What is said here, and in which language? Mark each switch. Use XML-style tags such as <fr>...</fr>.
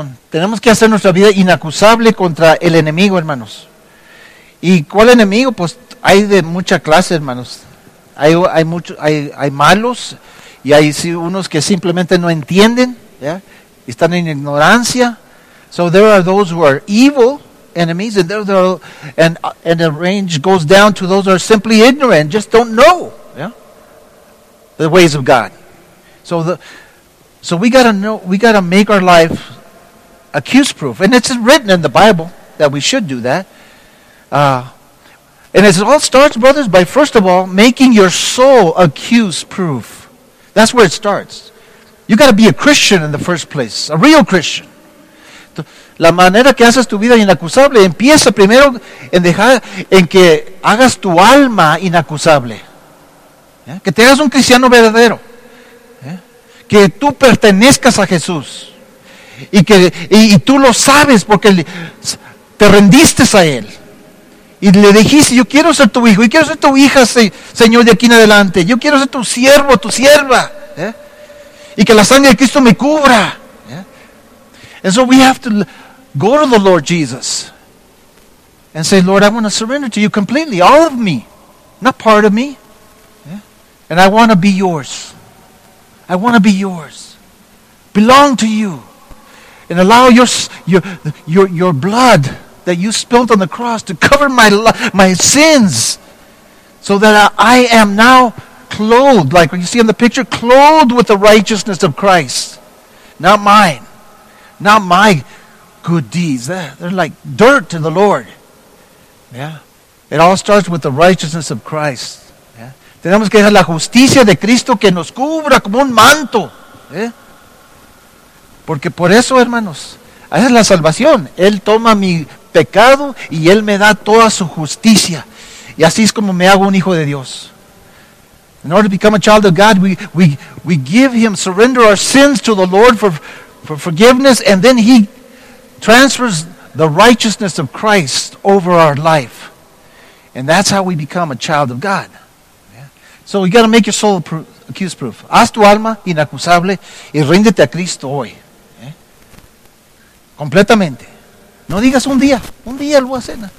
<es>Tenemos que hacer nuestra vida inacusable contra el enemigo, hermanos. ¿Y cuál enemigo? Pues hay de mucha clase, hermanos. Hay malos y hay unos que simplemente no entienden. Yeah? Están en ignorancia.</es> <en>So there are those who are evil enemies, and the range goes down to those who are simply ignorant, just don't know, yeah, the ways of God. So we gotta make our life accuse proof, and it's written in the Bible that we should do that. And it all starts, brothers, by first of all making your soul accuse proof. That's where it starts. You gotta be a Christian in the first place, a real Christian.</en> <es>La manera que haces tu vida inacusable empieza primero en que hagas tu alma inacusable. ¿Eh? Que te hagas un cristiano verdadero. ¿Eh? Que tú pertenezcas a Jesús. Y tú lo sabes porque te rendiste a Él. y le dijiste, yo quiero ser tu hijo, yo quiero ser tu hija, Señor, de aquí en adelante. Yo quiero ser tu siervo, tu sierva. Y que la sangre de Cristo me cubra.</es> <en>And so we have to go to the Lord Jesus and say, Lord, I want to surrender to you completely, all of me, not part of me. And I want to be yours. I want to be yours. Belong to you. And allow your blood that you spilt on the cross to cover my sins, so that I am now clothed, like you see in the picture, clothed with the righteousness of Christ. Not mine. Not my good deeds. They're like dirt to the Lord. Yeah. It all starts with the righteousness of Christ. Yeah.</en> <es>Tenemos que dejar la justicia de Cristo que nos cubra como un manto. Yeah. Porque por eso, hermanos, esa es la salvación. Él toma mi pecado y Él me da toda su justicia. Y así es como me hago un hijo de Dios.</es> <en>In order to become a child of God, we give Him, surrender our sins to the Lord for forgiveness, and then He transfers the righteousness of Christ over our life. And that's how we become a child of God. Yeah. So you got to make your soul accused proof.</en> <es>Haz tu alma inacusable y ríndete a Cristo hoy. Completamente. No digas un día lo voy a hacer.</es>